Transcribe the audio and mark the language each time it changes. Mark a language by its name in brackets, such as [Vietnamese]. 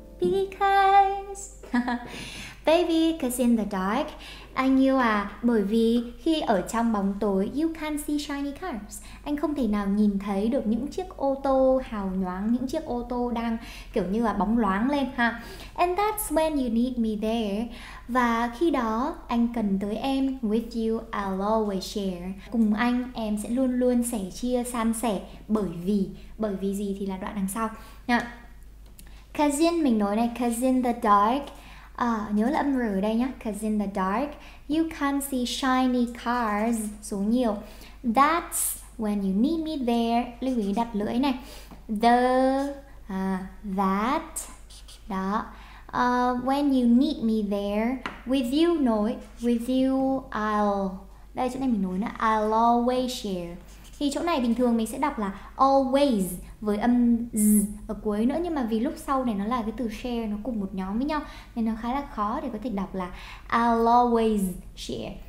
[English] Because baby, 'cause in the dark, [Vietnamese] anh yêu à, bởi vì khi ở trong bóng tối, [English] you can see shiny cars. [Vietnamese] Anh không thể nào nhìn thấy được những chiếc ô tô hào nhoáng, những chiếc ô tô đang kiểu như là bóng loáng lên ha. [English] And that's when you need me there. [Vietnamese] Và khi đó, anh cần tới em. [English] With you, I'll always share. [Vietnamese] Cùng anh, em sẽ luôn luôn sẻ chia, san sẻ. Bởi vì gì thì là đoạn đằng sau. Cousin, mình nói này, cousin the dark. À, nhớ là âm R ở đây nhá. [English] 'Cause in the dark, you can see shiny cars. [Vietnamese] Số nhiều. [English] That's when you need me there. [Vietnamese] Lưu ý đặt lưỡi này. The, that. Đó. [English] When you need me there, with you nói, with you I'll, [Vietnamese] đây chỗ này mình nói nữa, [English] I'll always share. [Vietnamese] Thì chỗ này bình thường mình sẽ đọc là always với âm z ở cuối nữa, nhưng mà vì lúc sau này nó là cái từ share, nó cùng một nhóm với nhau, nên nó khá là khó để có thể đọc là I'll always share.